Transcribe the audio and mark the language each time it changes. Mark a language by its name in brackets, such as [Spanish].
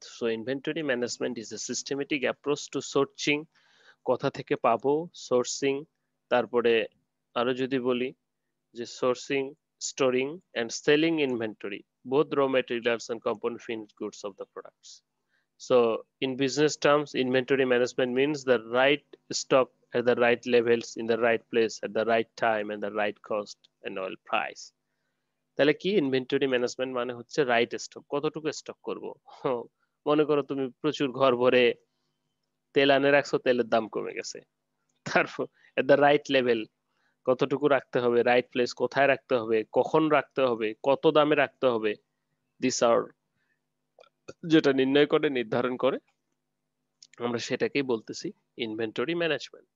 [English] so inventory management is a systematic approach to sourcing, [Bangla] কোথা থেকে পাবো, [English] sourcing, [Bangla] তারপরে আরো যদি বলি যে [English] Sourcing, storing and selling inventory both raw materials and component finished goods of the products. So in business terms inventory management means the right stock at the right levels in the right place at the right time and the right cost and all price. [Bangla] তাহলে কি inventory management মানে হচ্ছে right stock, কতটুকু stock করব। মনে করো তুমি প্রচুর ঘর ভরে তেল আনে রাখছো, তেলের দাম কমে গেছে, তারপর [English] at the right level [Bangla] কতটুকু রাখতে হবে, রাইট প্লেস কোথায় রাখতে হবে, কখন রাখতে হবে, কত দামে রাখতে হবে, দিস আর যেটা নির্ণয় করে, নির্ধারণ করে, আমরা সেটাকেই বলতেছি ইনভেন্টরি ম্যানেজমেন্ট।